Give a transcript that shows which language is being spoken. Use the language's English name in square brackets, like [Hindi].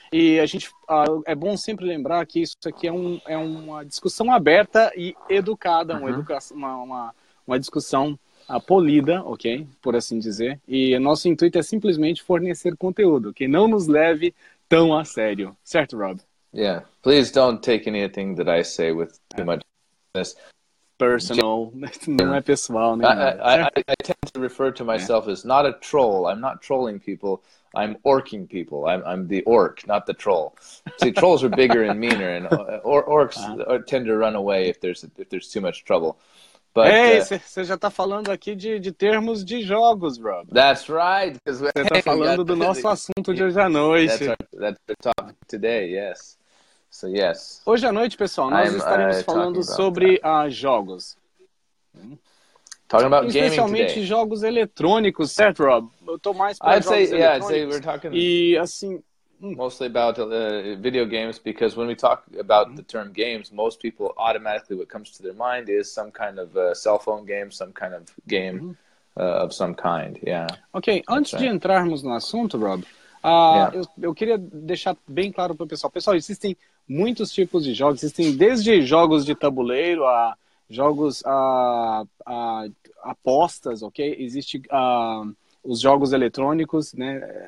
[Portuguese] E a gente, é bom sempre lembrar que isso aqui é uma discussão aberta e educada, uma discussão polida, ok? Por assim dizer. E o nosso intuito é simplesmente fornecer conteúdo, que não nos leve tão a sério. Certo, Rob? [English] Yeah, please don't take anything that I say with too much personal. [Portuguese] Não é pessoal, né? [English] I tend to refer to myself as not a troll. I'm not trolling people. I'm orking people. I'm the orc, not the troll. See, trolls are bigger and meaner, and orcs tend to run away if there's too much trouble. But hey, [Portuguese] você já tá falando aqui de termos de jogos, Rob. [English] That's right. [Portuguese] Você tá falando do nosso assunto de hoje à noite. [English] That's our topic today, yes. So, yes. [Portuguese] Hoje à noite, pessoal, nós estaremos falando sobre jogos. [English] Talking about gaming today. [Portuguese] Especialmente jogos eletrônicos, certo, Rob? Eu tô mais para jogos eletrônicos. [English] I'd say we're talking mostly about video games, because when we talk about the term games, most people automatically, what comes to their mind is some kind of cell phone game, some kind of game of some kind, yeah. [Portuguese] Ok, antes de entrarmos no assunto, Rob, eu queria deixar bem claro para o pessoal. Pessoal, existem muitos tipos de jogos, existem desde jogos de tabuleiro a jogos a apostas, ok? Existem os jogos eletrônicos, né?